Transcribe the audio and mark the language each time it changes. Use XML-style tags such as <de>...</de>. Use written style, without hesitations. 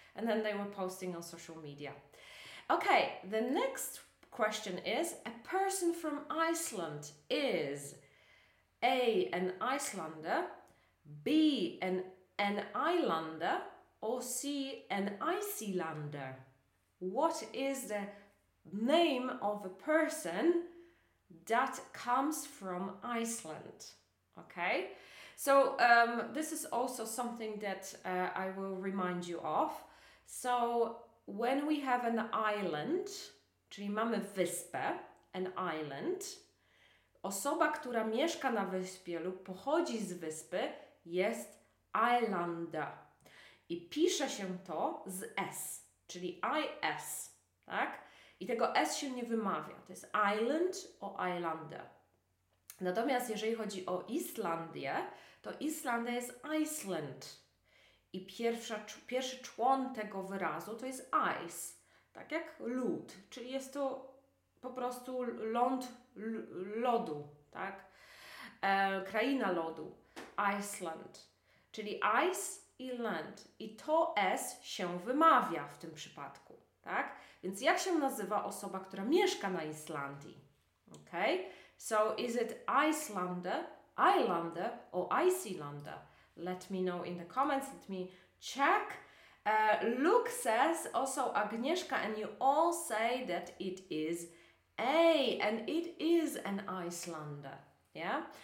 <en>And then they were posting on social media. Okay, the next question is, a person from Iceland is A, an Icelander, B, an Islander, or C, an Icelander. What is the name of a person that comes from Iceland? Okay, so this is also something that I will remind you of. So when we have an island,</en> <pl>czyli mamy wyspę,</pl> <en>an island,</en> <pl>osoba, która mieszka na wyspie lub pochodzi z wyspy, jest islander. I pisze się to z S, czyli IS, tak? I tego S się nie wymawia, to jest island o islander. Natomiast jeżeli chodzi o Islandię, to Islandia jest Iceland. I pierwszy człon tego wyrazu to jest ice, tak jak lód, czyli jest to po prostu ląd lodu, tak? Kraina lodu, Iceland, czyli ice i land. I to S się wymawia w tym przypadku, tak? Więc jak się nazywa osoba, która mieszka na Islandii?</pl> <en>Okay? So is it Icelander, Islander or Icelander? Let me know in the comments, let me check. Luke says, also Agnieszka, and you all say that it is A, and it is an Icelander, yeah?</en>